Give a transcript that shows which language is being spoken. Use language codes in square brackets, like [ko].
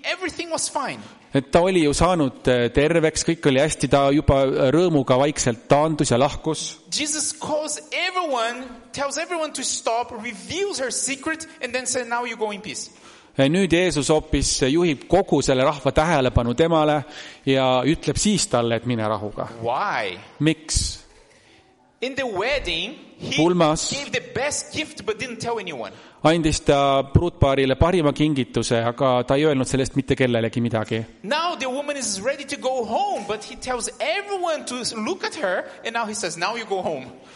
[en] Everything was fine. [et] Et ta oli ju saanud terveks, kõik oli hästi, ta juba rõõmuga vaikselt taandus ja lahkus. [en] Jesus calls everyone, tells everyone to stop, reveals her secret and then says, now you go in peace. [et] Nüüd Jeesus hoopis juhib kogu selle rahva tähelepanu temale ja ütleb siis talle, et mine rahuga. [en] Why? [et] Miks? [en] In the wedding, he [et] pulmas [en] gave the best gift, but didn't tell anyone. [et] Andis ta pruutpaarile parima kingituse, aga ta ei öelnud sellest mitte kellelegi midagi. [en] Now the woman is ready to go home, but he tells everyone to look at her, and now he says, now you go home.